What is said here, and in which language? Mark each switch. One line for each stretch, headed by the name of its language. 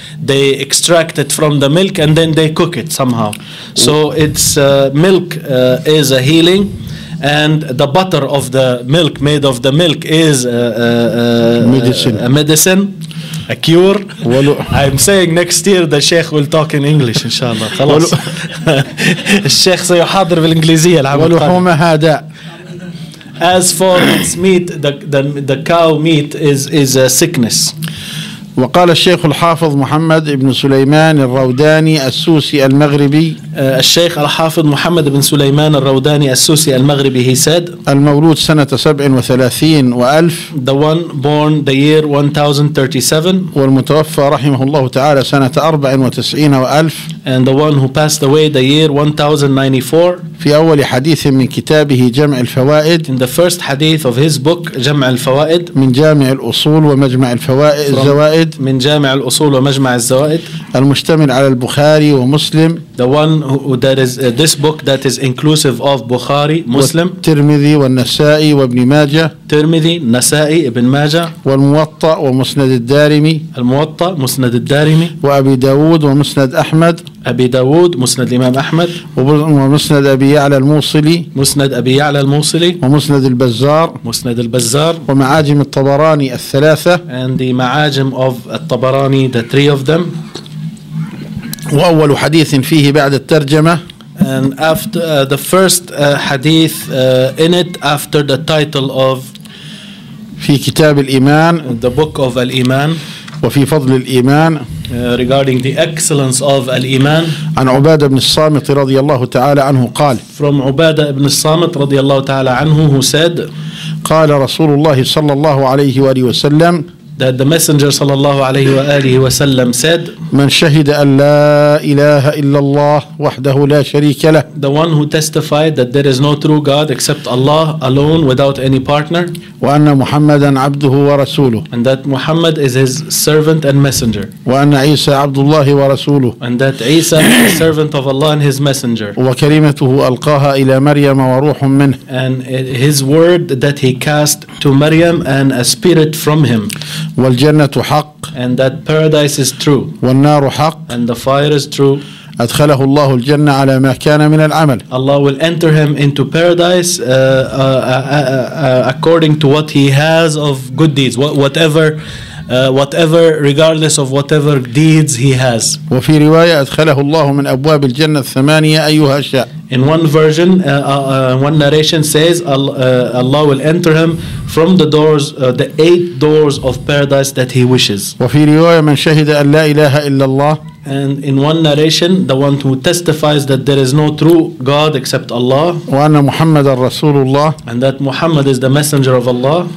English: They extract it from the milk and then they cook it somehow. So it's milk is a healing, and the butter of the milk, made of the milk, is medicine. A medicine, a cure. I'm saying next year the Sheikh will talk in English, inshallah.
Arabic: خلاص. الشيخ سيحاضر بالإنجليزية العام القادم. ولحوم هذا.
English: As for its meat, the cow meat is a sickness.
Arabic: وقال الشيخ الحافظ محمد بن سليمان الروداني السوسي المغربي. الشيخ الحافظ محمد بن سليمان الروداني السوسي المغربي.
English: He said.
Arabic: المولود سنة 37,000.
English: The one born the year 1037.
Arabic: والمتوفى رحمه الله تعالى سنة 94,000.
English: And the one who passed away the year 1094.
Arabic: في أول حديث من كتابه جمع الفوائد.
English: In the first hadith of his book جمع الفوائد.
Arabic: من جامع الأصول ومجمع الفوائد الزوائد. من جامع الأصول ومجمع الزوائد. المشتمل على البخاري ومسلم.
English: The one who, that is this book that is inclusive of Bukhari, Muslim.
Arabic: الترمذي والنسائي وابن ماجة. الترمذي النسائي ابن ماجة. والموطأ ومسند الدارمي. الموطأ مسند الدارمي. وأبي داود ومسند أحمد. أبي داود مسند الإمام أحمد. ومسند أبي يعلى الموصلي. مسند أبي يعلى الموصلي. ومسند البزار. مسند البزار. ومعاجم الطبراني الثلاثة.
English: And the معاجم of الطبراني, the three of them.
Arabic: وأول حديث فيه بعد الترجمة.
English: And after the first hadith in it after the title of.
Arabic: في كتاب الإيمان.
English: The book of الإيمان.
Arabic: وفي فضل الإيمان.
English: Regarding the excellence of الإيمان.
Arabic: عن عبادة بن الصامت رضي الله تعالى عنه قال.
English: From
Arabic: عبادة بن الصامت رضي الله تعالى عنه,
English: who said.
Arabic: قال رسول الله صلى الله عليه وآله وسلم.
English: That the messenger
Arabic: صلى الله عليه وآله وسلم
English: said.
Arabic: من شهد أن لا إله إلا الله وحده لا شريك له.
English: The one who testified that there is no true God except Allah alone without any partner.
Arabic: وأن محمدا عبده ورسوله.
English: And that Muhammad is his servant and messenger.
Arabic: وأن عيسى عبد الله ورسوله.
English: And that عيسى is the servant of Allah and his messenger.
Arabic: وكلمته ألقاها إلى مريم وروح منه.
English: And his word that he cast to Maryam and a spirit from him.
Arabic: والجنة حق.
English: And that paradise is true.
Arabic: والنار حق.
English: And the fire is true.
Arabic: أدخله الله الجنة على ما كان من العمل.
English: Allah will enter him into paradise according to what he has of good deeds, whatever regardless of whatever deeds he has.
Arabic: وفي رواية أدخله الله من أبواب الجنة الثمانية أيها شاء.
English: In one version, one narration says, Allah will enter him from the doors, the eight doors of paradise that he wishes.
Arabic: وفي رواية من شهد أن لا إله إلا الله.
English: And in one narration, the one who testifies that there is no true God except Allah.
Arabic: وأن محمد رسول الله.
English: And that Muhammad is the messenger of Allah.